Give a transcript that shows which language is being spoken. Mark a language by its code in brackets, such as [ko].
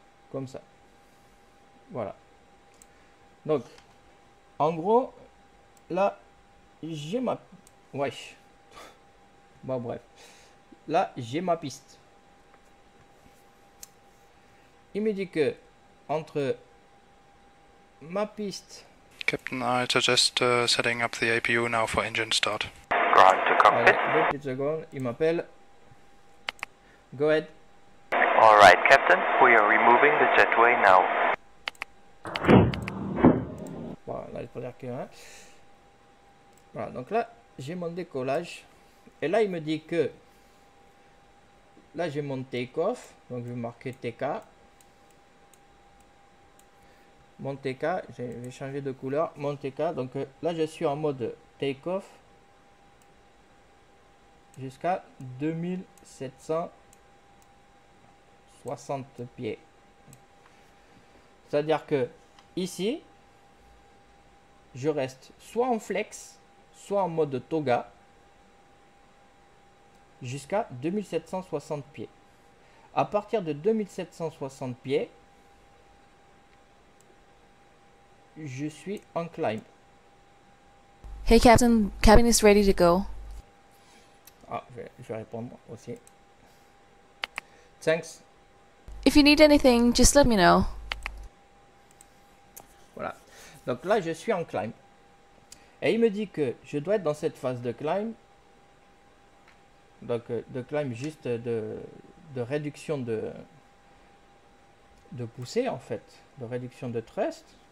[fr] Comme ça. Voilà. Donc, en gros, là, j'ai ma... Ouais. Bon, bref. Là, j'ai ma piste. Il me dit que, entre ma piste... [en] Captain, I suggest setting up the APU now for engine start. Go ahead to cockpit. [fr] Allez, deux secondes, il m'appelle. [en] Go ahead. All right, Captain, we are removing the jetway now. [fr] Voilà, il faut dire que, hein. Voilà, donc là j'ai mon décollage et là il me dit que là j'ai mon take off, donc je vais marquer TK, mon TK, j'ai changé de couleur, mon TK, donc là je suis en mode take off jusqu'à 2760 pieds, c'est à dire que ici je reste soit en flex, soit en mode toga, jusqu'à 2760 pieds. À partir de 2760 pieds, je suis en climb. [en] Hey Captain, cabin is ready to go. [fr] Ah, je vais répondre aussi. [en] Thanks. If you need anything, just let me know. [fr] Voilà. Donc là, je suis en climb. Et il me dit que je dois être dans cette phase de climb, donc de climb juste de réduction de poussée en fait, de réduction de thrust.